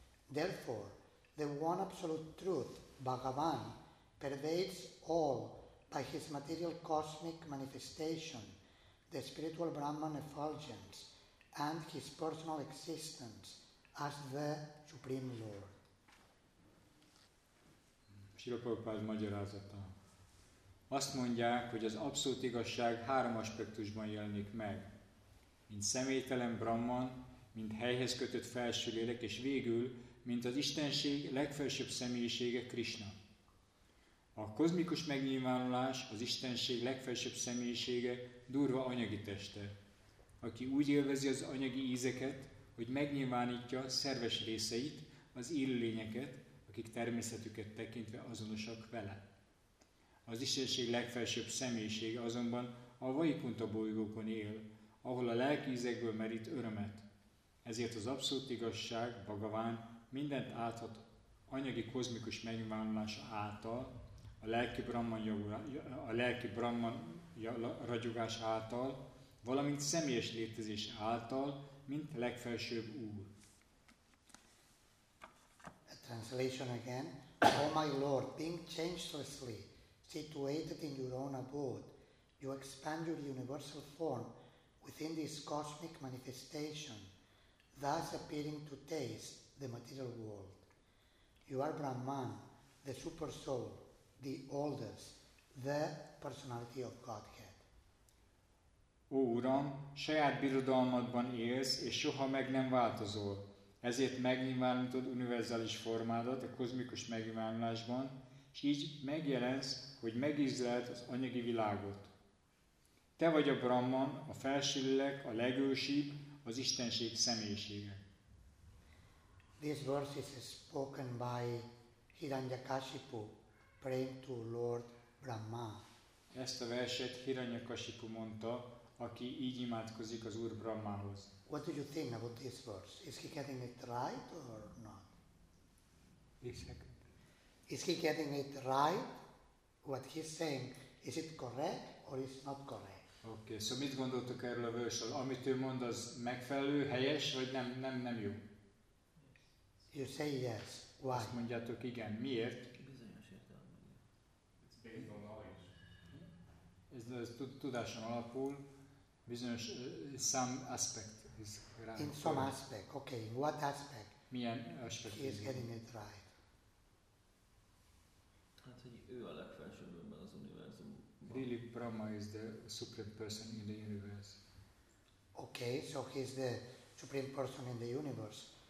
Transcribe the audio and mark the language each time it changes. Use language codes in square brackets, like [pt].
[en] Therefore, the one absolute truth, Bhagavan, pervades all by his material cosmic manifestation, the spiritual Brahman effulgence, and his personal existence as the Supreme Lord. [hu] Srila Prabhupada magyarázata. Azt mondják, hogy az abszolút igazság három aspektusban jelenik meg. Mint személytelen Brahman, mint helyhez kötött felső lélek, és végül, mint az Istenség legfelsőbb személyisége Krishna. A kozmikus megnyilvánulás az Istenség legfelsőbb személyisége durva anyagi teste, aki úgy élvezi az anyagi ízeket, hogy megnyilvánítja szerves részeit, az élőlényeket, akik természetüket tekintve azonosak vele. Az Istenség legfelsőbb személyisége azonban a Vaikuntha bolygókon él, ahol a lelkiízekből merít örömet. Ezért az abszolút igazság, Bhagavan, mindent áthat anyagi kozmikus megnyilvánulása által, a lelki Brahman ragyogás által, valamint személyes létezés által, mint legfelsőbb úr. [en] Translation again. Oh my Lord, being changelessly situated in your own abode, you expand your universal form within this cosmic manifestation, thus appearing to taste the material world. You are Brahman, the super soul, the oldest, the personality of Godhead. [hu] Ó Uram, saját birodalmadban élsz, és soha meg nem változol. Ezért megnyilvánultad univerzális formádat a kozmikus megnyilvánulásban, és így megjelensz, hogy megízleled az anyagi világot. Te vagy a Brahman, a felső lélek, a legősibb, az Istenség személyisége. [en] This verse is spoken by Hiranyakashipu, praying to Lord Brahma. [hu] Ezt a verset Hiranyakashipu mondta, aki így imádkozik az Úr Brahmához. [en] What do you think about this verse? Is he getting it right or not? Exactly. Is he getting it right? What he's saying, is it correct or is it not correct? [hu] Oké, okay, szóval mit gondoltok erről a versről? Amit ő mond, az megfelelő, helyes, vagy nem jó? [en] You say yes. Why? [hu] Azt mondjátok igen. Miért? Bizonyos értelme. Ez tudáson alapul, bizonyos, [en] some aspect. Is in some aspect, okay, in what aspect? [hu] Milyen aspekt? [en] He is getting it right. [hu] Hát, hogy ő a legfelsőbb ebben az univerzumban. [en] Really, Brahma is the supreme person in the universe. Okay, so he is the supreme person in the universe.